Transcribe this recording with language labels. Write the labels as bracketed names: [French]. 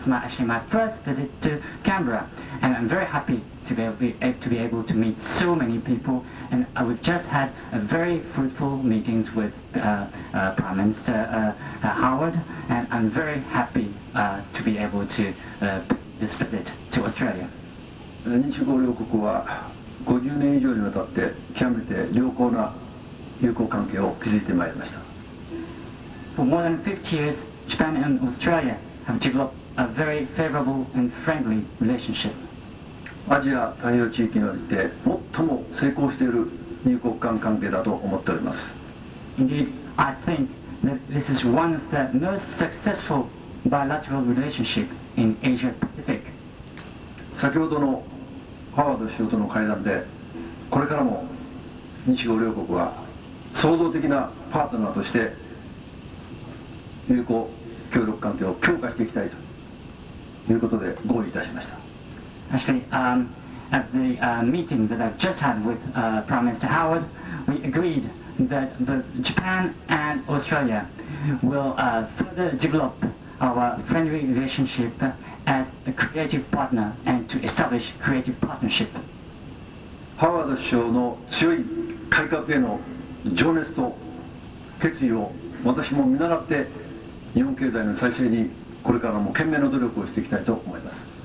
[English] This is my first visit to Canberra, and I'm very happy to be able to meet so many people. And I just had a very fruitful meetings with Prime Minister Howard, and I'm very happy to be able to this visit to Australia. [Japanese] 日中両国は50年以上にわたって極めて良好な友好関係を築いてまいりました。 [English] For more than 50 years, Japan and Australia have developed a very favorable and friendly relationship. [Japanese] アジア太平洋地域において最も成功している友好間関係だと思っております。 [English] Indeed, I think that this is one of the most successful bilateral relationship in Asia Pacific. [Japanese] 先ほどのハワード首相との会談で、これからも日豪両国は創造的なパートナーとして友好協力関係を強化していきたいということで合意いたしました。 [English] Actually, at the meeting that I just had with Prime Minister Howard, we agreed that both Japan and Australia will further develop our friendly relationship as a creative partner and to establish creative partnership. [Japanese] ハワード首相の強い改革への情熱と決意を私も見習って日本経済の再生にこれからも懸命の努力をしていきたいと思います。